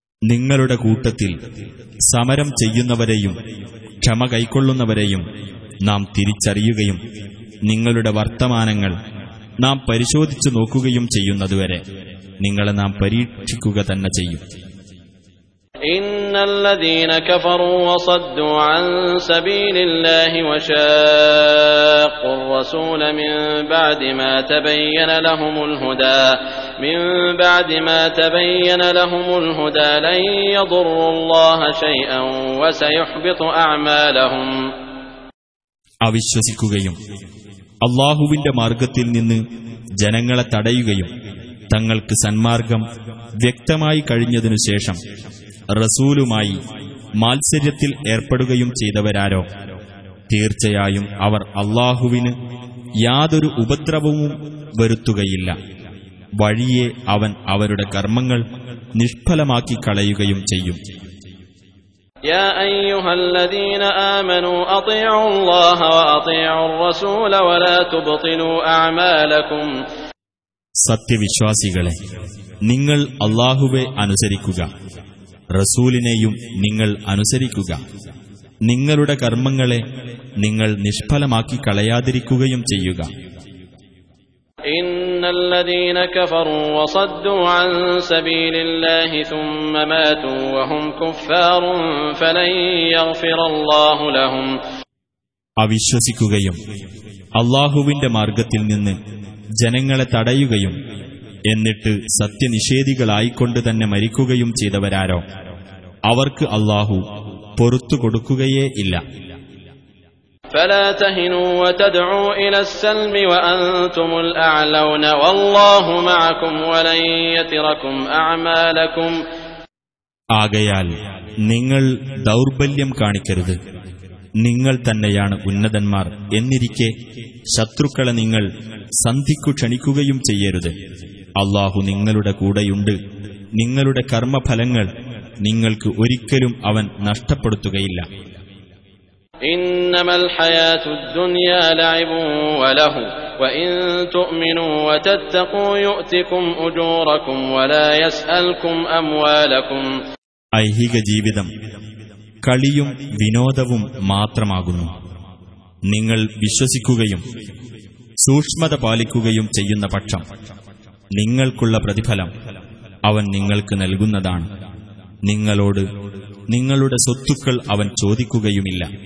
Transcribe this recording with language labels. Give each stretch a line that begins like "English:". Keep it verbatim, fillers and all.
Malayalam: നിങ്ങളുടെ കൂട്ടത്തിൽ സമരം ചെയ്യുന്നവരെയും ക്ഷമ കൈക്കൊള്ളുന്നവരെയും നാം തിരിച്ചറിയുകയും നിങ്ങളുടെ വർത്തമാനങ്ങൾ നാം പരിശോധിച്ചു നോക്കുകയും ചെയ്യുന്നതുവരെ നിങ്ങളെ നാം പരീക്ഷിക്കുക തന്നെ ചെയ്യും.
Arabic: إن الذين كفروا وصدوا عن سبيل الله وشاقوا الرسول من بعد ما تبين لهم الهدى من بعد ما تبين لهم الهدى لن يضروا الله شيئا وسيحبط أعمالهم.
Malayalam: അവിശ്വസിക്കുകയും അല്ലാഹുവിന്റെ മാർഗ്ഗത്തിൽ നിന്ന് ജനങ്ങളെ തടയുകയും തങ്ങൾക്ക് സന്മാർഗം വ്യക്തമായി കഴിഞ്ഞതിനു ശേഷം റസൂലുമായി മാത്സര്യത്തിൽ ഏർപ്പെടുകയും ചെയ്തവരാരോ തീർച്ചയായും അവർ അല്ലാഹുവിന് യാതൊരു ഉപദ്രവവും വരുത്തുകയില്ല, വഴിയെ അവൻ അവരുടെ കർമ്മങ്ങൾ നിഷ്ഫലമാക്കി കളയുകയും ചെയ്യും.
Arabic: يا أيها الذين آمنوا أطيعوا الله وأطيعوا الرسول ولا تبطلوا أعمالكم.
Malayalam: സത്യവിശ്വാസികളെ, നിങ്ങൾ അല്ലാഹുവെ അനുസരിക്കുക, റസൂലിനെയും നിങ്ങൾ അനുസരിക്കുക. നിങ്ങളുടെ കർമ്മങ്ങളെ നിങ്ങൾ നിഷ്ഫലമാക്കി കളയാതിരിക്കുകയും ചെയ്യുക.
Arabic: إن الذين كفروا وصدوا عن سبيل الله ثم ماتوا وهم كفار فلن يغفر الله لهم.
Malayalam: അവിശ്വസിക്കുകയും അല്ലാഹുവിന്റെ മാർഗ്ഗത്തിൽ നിന്ന് ജനങ്ങളെ തടയുകയും എന്നിട്ട് സത്യനിഷേധികളായിക്കൊണ്ട് തന്നെ മരിക്കുകയും ചെയ്തവരാരോ അവർക്ക് അല്ലാഹു പൊറുത്തു കൊടുക്കുകയേ ഇല്ല.
Arabic: فلا تهنوا وتدعوا إلى السلم وأنتم الأعلون والله معكم ولن يتركم أعمالكم.
Malayalam: ആകയാൽ നിങ്ങൾ ദൗർബല്യം കാണിക്കരുത്, നിങ്ങൾ തന്നെയാണ് ഉന്നതന്മാർ എന്നിരിക്കെ ശത്രുക്കളെ നിങ്ങൾ സന്ധിക്കു ക്ഷണിക്കുകയും ചെയ്യരുത്. അല്ലാഹു നിങ്ങളുടെ കൂടെയുണ്ട്, നിങ്ങളുടെ കർമ്മഫലങ്ങൾ നിങ്ങൾക്ക് ഒരിക്കലും അവൻ നഷ്ടപ്പെടുത്തുകയില്ല.
Arabic: إنما الحياة الدنيا لعب وله وإن تؤمنوا وتتقوا يؤتكم أجوركم ولا يسألكم أموالكم.
Malayalam: ഐഹിക ജീവിതം കളിയും വിനോദവും മാത്രമാകുന്നു. നിങ്ങൾ വിശ്വസിക്കുകയും സൂക്ഷ്മത പാലിക്കുകയും ചെയ്യുന്ന പക്ഷം നിങ്ങൾക്കുള്ള പ്രതിഫലം അവൻ നിങ്ങൾക്ക് നൽകുന്നതാണ്. നിങ്ങളോട് നിങ്ങളുടെ സ്വത്തുക്കൾ അവൻ ചോദിക്കുകയുമില്ല.